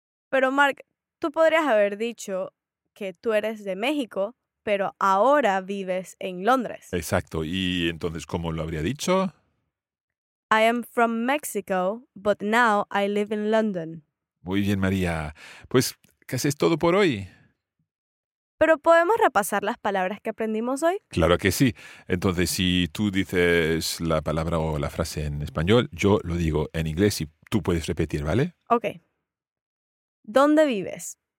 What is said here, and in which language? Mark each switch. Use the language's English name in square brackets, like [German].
[Spanish] Pero, Mark, tú podrías haber dicho que tú eres de México, pero ahora vives en Londres. Exacto. ¿Y entonces cómo lo habría dicho? [English] I am from Mexico, but now I live in London. [Spanish] Muy bien, María. Pues casi es todo por hoy. ¿Pero podemos repasar las palabras que aprendimos hoy? Claro que sí. Entonces, si tú dices la palabra o la frase en español, yo lo digo en inglés y tú puedes repetir, ¿vale? Ok. ¿Dónde vives?